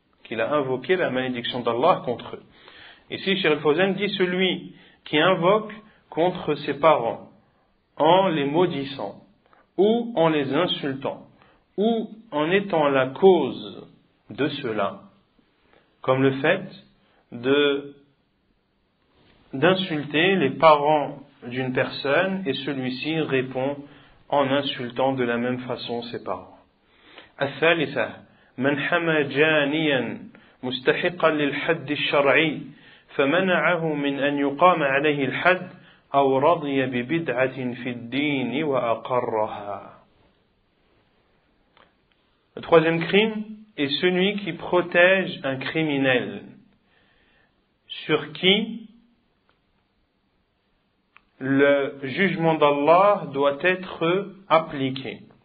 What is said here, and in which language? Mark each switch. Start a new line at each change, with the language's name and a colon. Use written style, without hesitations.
French: qu'il a invoqué la malédiction d'Allah contre eux. Ici, Cheikh Al-Fawzan dit celui qui invoque contre ses parents en les maudissant ou en les insultant ou en étant la cause de cela, comme le fait d'insulter les parents d'une personne et celui-ci répond en insultant de la même façon ses parents.
Arabic: الثالثة من حمى جانيا مستحقا للحد الشرعي فمنعه من أن يقام عليه الحد أو رضي ببدعة في الدين وأقرها.
French: Le troisième crime est celui qui protège un criminel sur qui le jugement d'Allah doit être appliqué.